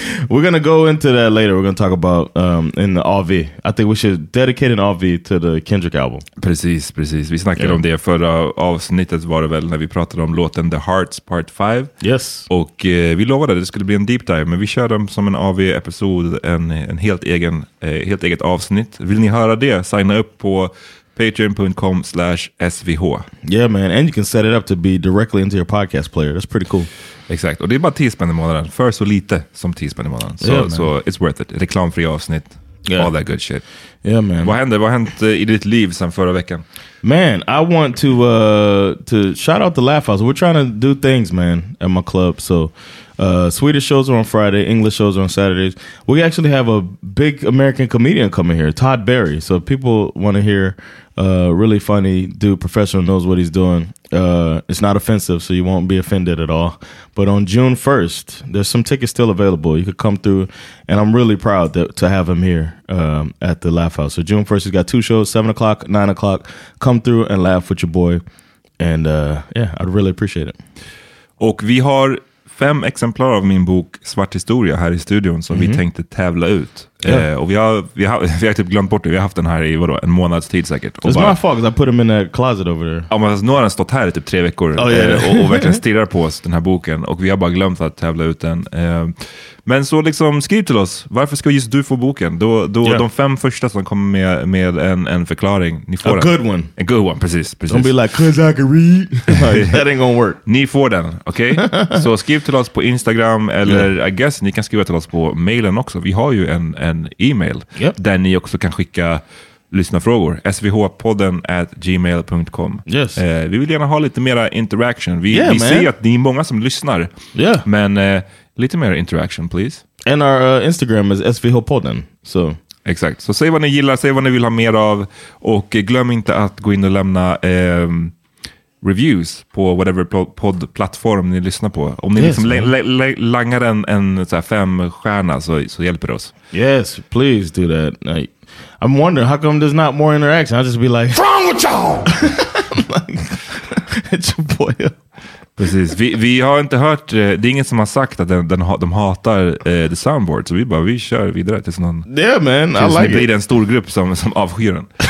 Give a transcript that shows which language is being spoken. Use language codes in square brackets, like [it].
[en] We're going to go into that later. We're going to talk about in the AV. I think we should dedicate an AV to the Kendrick album. [sv] Precis. Vi snackade om det förra avsnittet, var det väl, när vi pratade om låten The Hearts Part 5. [en] Yes. [sv] Och vi lovade att det skulle bli en deep dive, men vi kör dem som en AV-episod, en helt eget avsnitt. Vill ni höra det, signa upp på Patreon.com/svh. [en] Yeah, man. And you can set it up to be directly into your podcast player. That's pretty cool. [sv] Exakt. Och det är bara 10 spänn i månaden. För så lite som 10 spänn i månaden. [en] So it's worth it. [sv] Reklamfri avsnitt. [en] Yeah. All that good shit. Yeah, man. [sv] Vad hände i ditt liv sen förra veckan? [en] Man, I want to shout out the Laugh House. We're trying to do things, man, at my club. So Swedish shows are on Friday. English shows are on Saturdays. We actually have a big American comedian coming here, Todd Berry. So if people want to hear a really funny dude, professional, knows what he's doing. It's not offensive, so you won't be offended at all. But on June 1st, there's some tickets still available. You could come through, and I'm really proud to have him here at the Laugh House. So June 1st, he's got 2 shows, 7 o'clock, 9 o'clock. Come through and laugh with your boy. And yeah, I'd really appreciate it. [sv] Och vi har 5 exemplar av min bok Svart historia här i studion som vi tänkte tävla ut. [en] Yeah. [sv] Och vi har typ glömt bort det. Vi har haft den här i vadå, en månads tid säkert. [en] It's my fault because I put them in a closet over there. [sv] Ja, men alltså, nu har den stått här i typ 3 veckor och verkligen stirrar på oss, den här boken. Och vi har bara glömt att tävla ut den. Men så liksom, skriv till oss. Varför ska just du få boken? De 5 första som kommer med en förklaring, ni får a den. [en] A good one. A good one, [sv] precis. [en] Don't be like, cause I can read. Like, that ain't gonna work. [sv] Ni får den, okej? [en] Okay? [sv] Så skriv till oss på Instagram eller [en] I guess [sv] ni kan skriva till oss på mailen också. Vi har ju en e-mail där ni också kan skicka lyssnarfrågor. svhpodden@gmail.com. [en] Yes. [sv] Vi vill gärna ha lite mera interaction. Vi ser att det är många som lyssnar. [en] Yeah. [sv] Men lite mer [en] interaction, please. And our Instagram is svhpodden. So [sv] Exakt. Så säg vad ni gillar, säg vad ni vill ha mer av. Och glöm inte att gå in och lämna reviews på whatever poddplattform ni lyssnar på. Om ni liksom langar en så här fem stjärna så hjälper det oss. [en] Yes, please do that. I'm wondering, how come there's not more interaction? I'll just be like, what's wrong with y'all? It's your boy. [sv] Precis, vi har inte hört, det är ingen som har sagt att de hatar the soundboard. Så vi bara, vi kör vidare tills någon... [en] Yeah man, I like [sv] blir [en] it. [sv] En stor grupp som avskyr den.